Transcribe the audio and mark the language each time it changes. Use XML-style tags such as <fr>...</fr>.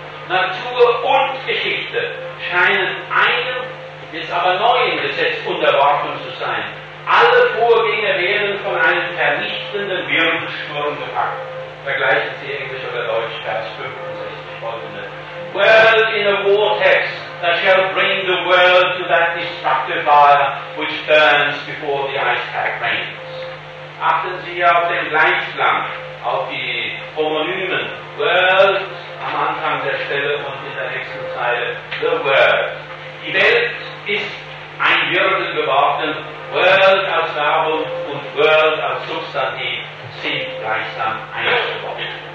<de>Natur und Geschichte scheinen einem, jetzt aber neuen Gesetz unterworfen zu sein. Alle Vorgänge werden von einem vernichtenden Wirbelsturm gepackt. Vergleichen Sie Englisch oder Deutsch, Vers 65 folgende.</de> <en>World in a vortex that shall bring the world to that destructive fire which burns before the ice pack rains.</en> <de>Achten Sie auf den Gleichklang, auf die Homonymen World am Anfang der Stelle und in der nächsten Zeile The World. Die Welt ist ein Wirbel geworden. World als Verbum und World als Substantiv sind gleichsam eins geworden.</de>